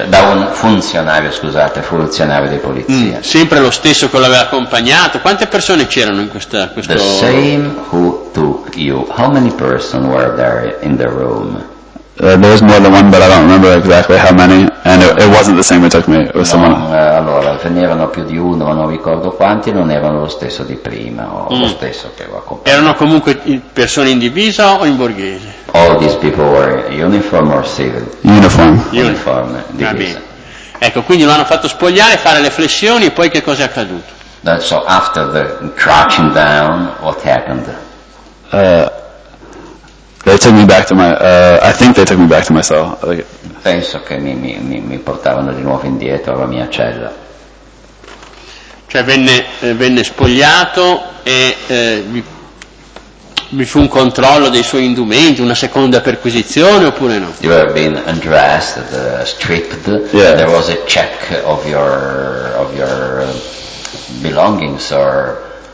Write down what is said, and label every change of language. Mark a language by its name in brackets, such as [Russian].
[Italian] Da un funzionario di polizia. Sempre lo stesso che l'aveva accompagnato. Quante persone c'erano in questo? [English] The same who took you. How many persons were there in the room? There was more than one, but I don't remember exactly how many. And it wasn't the same who took me. It was someone. [Italian] Allora, ce n'erano più di uno, non ricordo quanti, non erano lo stesso di prima o lo stesso che lo accompagnava. Erano comunque persone in divisa o in borghese? [English] All these people were uniform or civil? Uniform. Uniform. Divisa. [Italian] Va bene. Ecco, quindi lo hanno fatto spogliare, fare le flessioni, e poi che cosa è accaduto? [English] So after the crouching down, what happened? They took me back to my. I think they took me back to my cell. [Italian] Penso che mi portavano di nuovo indietro alla mia cella. Cioè venne spogliato e vi fu un controllo dei suoi indumenti, una seconda perquisizione oppure no? [English] You have been undressed, stripped. Yes. There was a check of your belongings or.